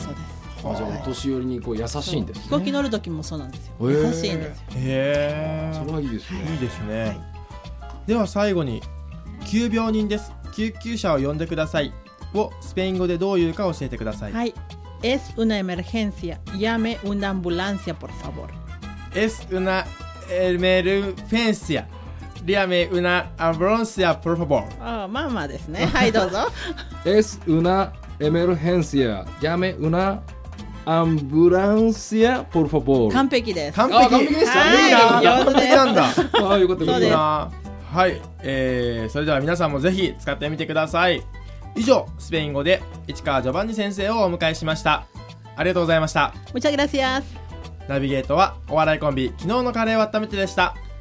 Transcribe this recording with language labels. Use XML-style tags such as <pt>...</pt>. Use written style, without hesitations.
<ja>そうです。あ、じゃあお年寄りにこう優しいんですね。飛行機乗る時もそうなんですよ。優しいんですよ。それはいいですね。いいですね、はい。では最後に、急病人です、救急車を呼んでくださいをスペイン語でどういうか教えてください。はい。</ja> <es>Es una emergencia. Llame una ambulancia, por favor. Es una emergencia. Llame una ambulancia, por favor.</es> <ja>まあまあですね。はい、どうぞ。</ja> <es>Es una emergencia. Llame una ambulancia, por favor.</es> <ja>完璧です。完璧。完璧でした。はい、いいな。上手です。なんだ。ああ、よかった。そうです。はい、それでは皆さんもぜひ使ってみてください。以上、スペイン語で市川ジョバンニ先生をお迎えしました。ありがとうございました。</ja> <es>Muchas gracias。</es> <ja>ナビゲートはお笑いコンビ昨日のカレーを温めてでした。</ja>